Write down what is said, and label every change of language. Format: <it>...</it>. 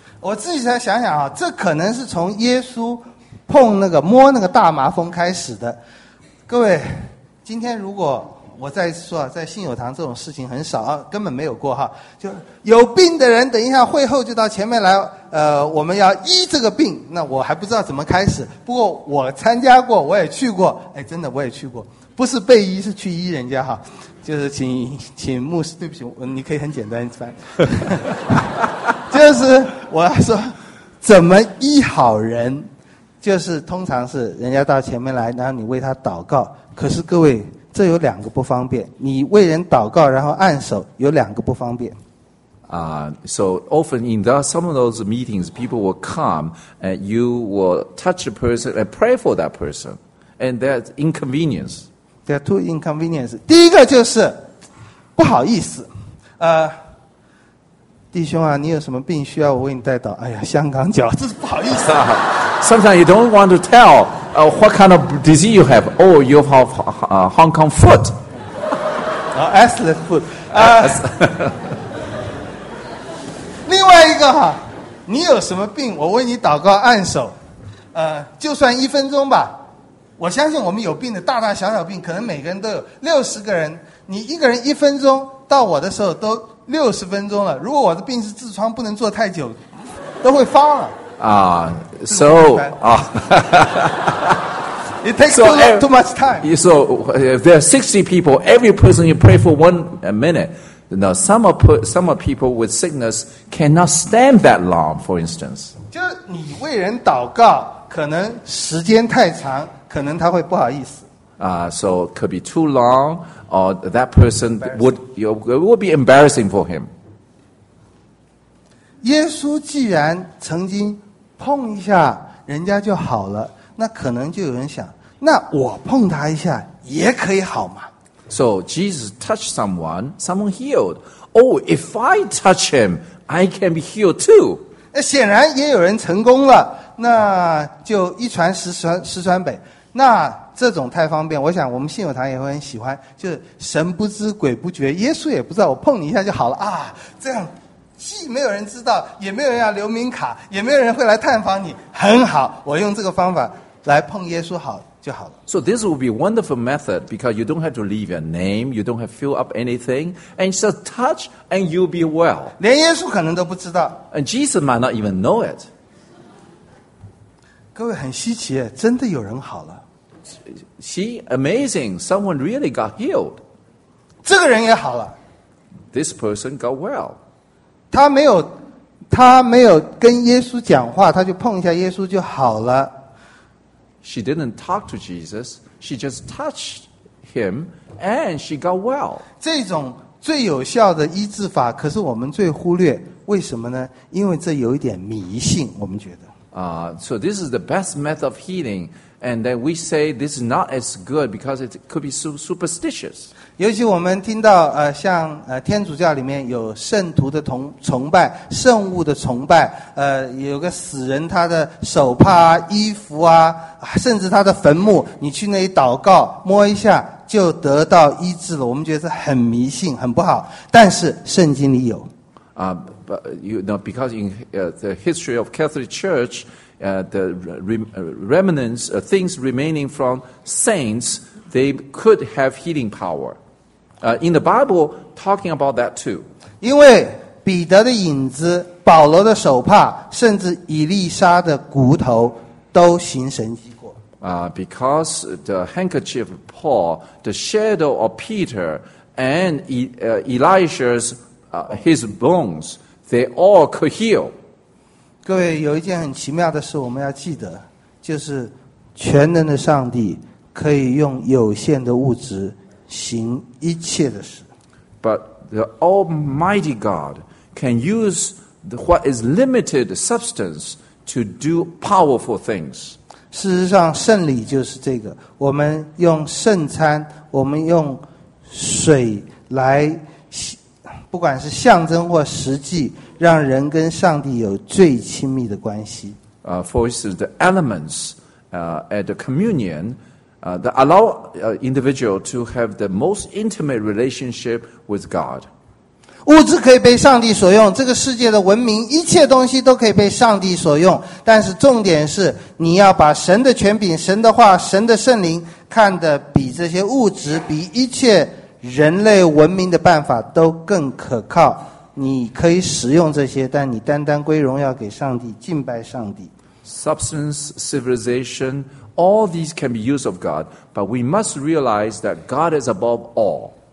<zh>我自己再想想啊，这可能是从耶稣碰那个摸那个大麻风开始的。各位，今天如果我再说，在信友堂这种事情很少，根本没有过哈。就有病的人，等一下会后就到前面来，我们要医这个病。那我还不知道怎么开始，不过我参加过，我也去过，哎，真的我也去过，不是被医，是去医人家哈。就是请牧师，对不起，你可以很简单翻。就是我要说，怎么医好人，就是通常是人家到前面来，然后你为他祷告。可是各位，这有两个不方便，你为人祷告然后按手，有两个不方便。</zh> <en>So often in some of those meetings, people will come and you will touch a person and pray for that person, and that's inconvenience. There are two inconveniences.</en> <zh>第一个就是不好意思，弟兄啊，你有什么病需要我为你代祷？哎呀，香港脚，这是不好意思啊。</zh> <en>Sometimes you don't want to tell what kind of disease you have. Oh, you have Hong Kong foot. Oh, excellent foot.</en> <zh>另外一个哈，你有什么病，我为你祷告按手，就算一分钟吧。我相信我们有病的大大小小病，可能每个人都有六十个人，你一个人一分钟到我的时候都六十分钟了。如果我的病是痔疮，不能坐太久，都会发了。</zh> <en>So it takes too much time. So if there are 60 people, every person you pray for 1 minute. Now some are people with sickness cannot stand that long, for instance.</en> <zh>就是你为人祷告，可能时间太长，可能他会不好意思。</zh> <en>So it could be too long, or that person would be embarrassing for him.</en> <zh>耶稣既然曾经碰一下人家就好了，那可能就有人想，那我碰他一下也可以好吗？</zh> <en>So Jesus touched someone healed. Oh, if I touch him, I can be healed too.</en> <zh>显然也有人成功了，那就一传十，十传百。那这种太方便，我想我们信友堂也会很喜欢，就是神不知鬼不觉，耶稣也不知道，我碰你一下就好了啊，这样既没有人知道，也没有人要留名卡，也没有人会来探访你，很好，我用这个方法来碰耶稣好就好了。</zh> <en>So this will be a wonderful method because you don't have to leave your name, you don't have to fill up anything, and just touch and you'll be well.</en> <zh>连耶稣可能都不知道。</zh> <en>And Jesus might not even know it.</en> <zh>各位很稀奇，真的有人好了。</zh> <en>See, amazing, someone really got healed.</en> <zh>这个人也好了。</zh> <en>This person got well.</en> <zh>他没有跟耶稣讲话，他就碰一下耶稣就好了。</zh> <en>She didn't talk to Jesus. She just touched him, and she got well.</en> <zh>这种最有效的医治法，可是我们最忽略，为什么呢？因为这有一点迷信，我们觉得。</zh> <en>So this is the best method of healing, and then we say this is not as good because it could be superstitious.</en> <zh>尤其我们听到像天主教里面有圣徒的崇拜，圣物的崇拜，有个死人他的手帕啊、衣服啊，甚至他的坟墓，你去那里祷告，摸一下就得到医治了。我们觉得这很迷信，很不好。但是圣经里有。</zh> <en>Because in the history of Catholic Church, the remnants, things remaining from saints. They could have healing power. In the Bible, talking about that too.</en> <zh>因为彼得的影子、保罗的手帕，甚至以利沙的骨头都行神迹过。</zh> <en>Because the handkerchief of Paul, the shadow of Peter, and Elisha's his bones, they all could heal.</en> <zh>各位，有一件很奇妙的事我们要记得，就是全能的上帝。可以用有限的物质行一切的事。</zh> <en>But the Almighty God can use what is limited substance to do powerful things.</en> <zh>事实上，圣礼就是这个。我们用圣餐，我们用水来，不管是象征或实际，让人跟上帝有最亲密的关系。</zh> <en>For instance, the elements at the communion. that allow individual to have the most intimate relationship with God.</en> <zh>物质可以被上帝所用，这个世界的文明，一切东西都可以被上帝所用。但是重点是，你要把神的权柄、神的话、神的圣灵看得比这些物质、比一切人类文明的办法都更可靠。你可以使用这些，但你单单归荣耀给上帝，敬拜上帝。</zh> <en>Substance, civilization, all these can be used of God, but we must realize that God is above all.</en>